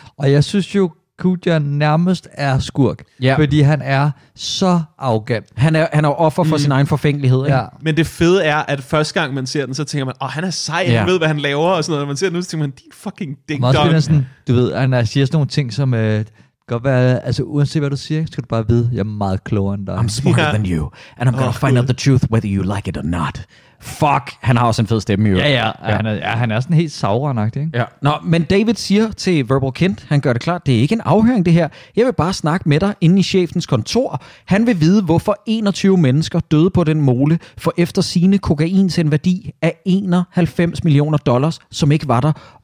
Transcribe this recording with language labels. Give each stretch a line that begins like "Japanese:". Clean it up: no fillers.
Danish: Og jeg synes jo, Kujan nærmest er skurk, fordi han er så arrogant. Han er offer for sin egen forfængelighed. Ikke? Ja. Men det fede er, at første gang man ser den, så tænker man, åh, han er sej, han ved, hvad han laver og sådan noget. Når man ser den nu, så tænker man, din fucking ding-dong. Sådan, du ved, han siger sådan nogle ting, som... godt være, altså uanset hvad du siger, skal du bare vide, jeg er meget klogere end dig.
English: I'm smarter than you, and I'm gonna find out the truth, whether you like it or not.
Danish: Fuck, han har også en fed stemme, jo. Ja. Han er sådan helt sauer-agtig, ikke? Ja. Nå, men David siger til Verbal Kind, han gør det klart, det er ikke en afhøring det her. Jeg vil bare snakke med dig inde i chefens kontor. Han vil vide, hvorfor 21 mennesker døde på den mole, for efter sine kokain til en værdi af 91 millioner dollars, som ikke var der.